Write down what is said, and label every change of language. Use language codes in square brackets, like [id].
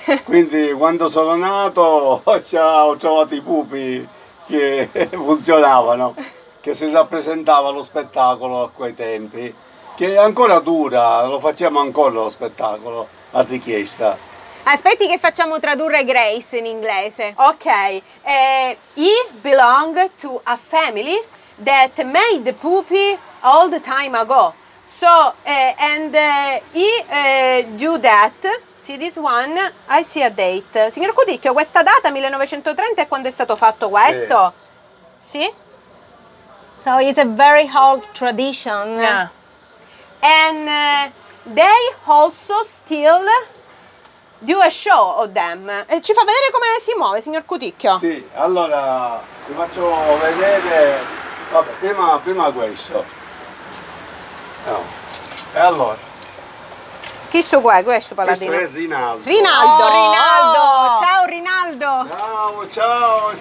[it] Quindi quando sono nato ho trovato i pupi che funzionavano, che si rappresentava lo spettacolo a quei tempi. Che ancora dura, lo facciamo ancora lo spettacolo, a richiesta. Aspetti che facciamo tradurre Grace in inglese. [en] Ok, he belong to a family that made the puppy all the time ago. So, he do that, see this one, I see a date. [it] Signor Cuticchio, questa data, 1930, è quando è stato fatto questo? Sì. Sì? [en] So it's a very old tradition. Yeah. And they also still do a show of them. [it] Ci fa vedere come si muove, signor Cuticchio. Sì, allora vi faccio vedere. Vabbè, prima questo. No. E allora? Chi so qua è questo paladino? Questo è Rinaldo. Rinaldo, oh, Rinaldo! Ciao Rinaldo!